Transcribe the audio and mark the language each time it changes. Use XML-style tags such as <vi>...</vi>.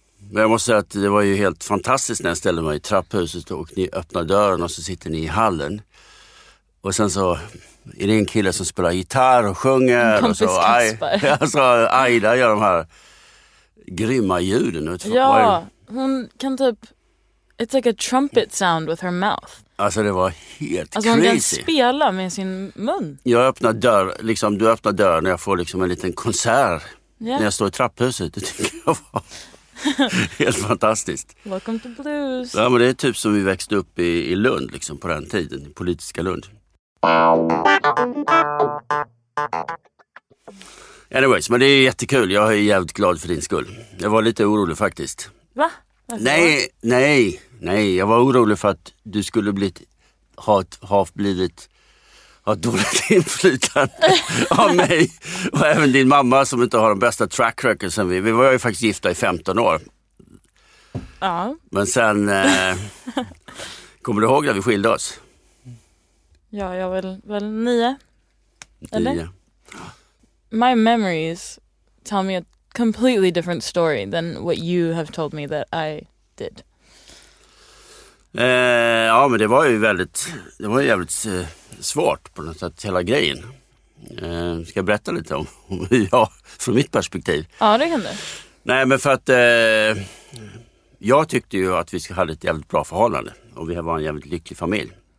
<sv>Men jag måste säga att det var ju helt fantastiskt när jag ställde mig i trapphuset och ni öppnar dörren och så sitter ni i hallen. Och sen så är det en kille som spelar gitarr och sjunger. Kompis och så. Kasper. Alltså Aida gör de här grymma ljuden. Ja, hon kan typ...</sv> <en>It's like a trumpet sound with her mouth.</en> <sv>Alltså det var helt alltså,</sv> <en>crazy.</en> <sv>Hon kan spela med sin mun. Jag öppnar dörr, liksom du öppnar dörr när jag får liksom en liten konsert. Yeah. När jag står i trapphuset, det tycker jag var... Helt fantastiskt.</sv> <en>Welcome to blues.</en> <sv>Ja, men det är typ som vi växte upp i Lund liksom, på den tiden, i politiska Lund. Anyways, men det är jättekul. Jag är jävligt glad för din skull. Jag var lite orolig faktiskt. Va? Nej. Jag var orolig för att du skulle blivit, ha dåligt inflytande av mig och även din mamma som inte har de bästa track records än vi. Vi var ju faktiskt gifta i 15 år. Ja. Men sen, kommer du ihåg när vi skilde oss? Ja, jag var väl 9. Eller?</sv> <en>My memories tell me a completely different story than what you have told me that I did.</en> <sv>Ja, men det var ju väldigt, det var ju jävligt svårt på något sätt, hela grejen. Ska jag berätta lite om ja, från mitt perspektiv? Ja, det kan du. Nej, men för att jag tyckte ju att vi hade ett jävligt bra förhållande och vi var en jävligt lycklig familj.</sv>